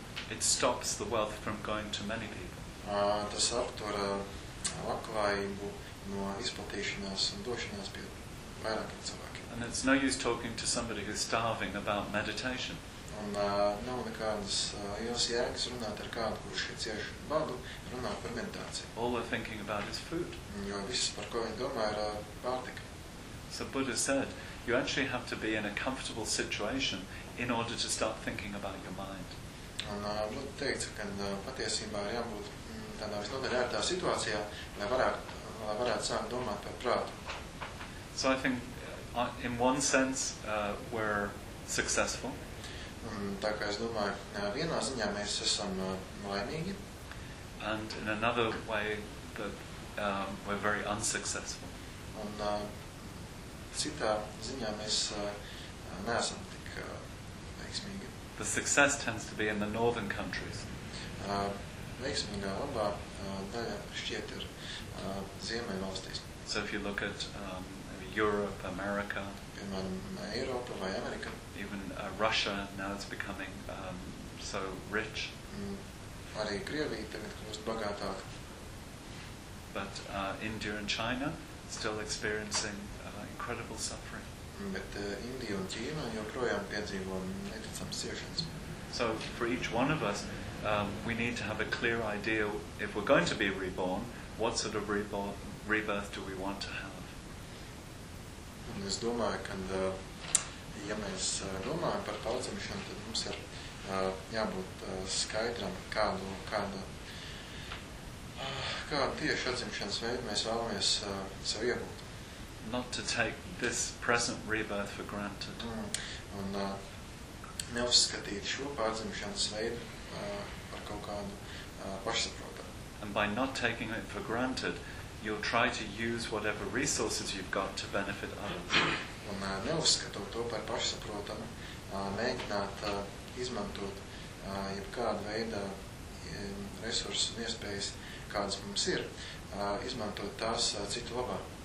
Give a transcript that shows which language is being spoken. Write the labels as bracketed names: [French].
[English] It stops the wealth from going to many people. [Latvian] Tas aptur labklājību no izplatīšanās un došanās pie vairākiem cilvēkiem. [English] And it's no use talking to somebody who's starving about meditation. [Latvian] Un nav nekādas jūs jēgas runāt ar kādu, kurš ir cieši badu, runāt par meditāciju. [English] All they're thinking about is food. [Latvian] Jo viss, par ko viņi domā, ir pārtika. [English] So Buddha said, you actually have to be in a comfortable situation in order to start thinking about your mind. [Latvian] Un Buddha teica, ka patiesībā ir jābūt tādā visnotaļ ērtā situācijā, lai varētu sākt domāt par prātu. [English] So I think, in one sense, we're successful. [Latvian] Tā kā es domāju, vienā ziņā mēs esam laimīgi. [English] And in another way, that we're very unsuccessful. [Latvian] Un citā ziņā mēs neesam tik veiksmīgi. [English] The success tends to be in the northern countries. [Latvian] Veiksmīgā labā daļa šķiet ir ziemeļvalstīs. [English] So if you look at Europe, America, [Latvian] Eiropa vai Amerika. [English] Even Russia now it's becoming so rich. [Latvian] Arī Krievija tagad kļūst bagātāka. [English] But India and China still experiencing incredible suffering. [Latvian] Bet Indija un Ķīna joprojām piedzīvo neticamas ciešanas. [English] So for each one of us we need to have a clear idea if we're going to be reborn, what sort of rebirth do we want to have? [Latvian] Un es domāju, ka ja mēs domājam par paudzimšanu, tad mums ir jābūt skaidram, kādu tieši atzimšanas veidu mēs vēlamies sev iegūt. [English] Not to take this present rebirth for granted. [Latvian] Un neuzskatīt šo paudzimšanas veidu par kaut kādu pašsaprotamu. [English] And by not taking it for granted, you'll try to use whatever resources you've got to benefit others. [Latvian] Un neuzskatot to par pašsaprotamu, mēģināt izmantot jebkādu veidu resursu un iespējas, kādas mums ir, izmantot tās citu labā.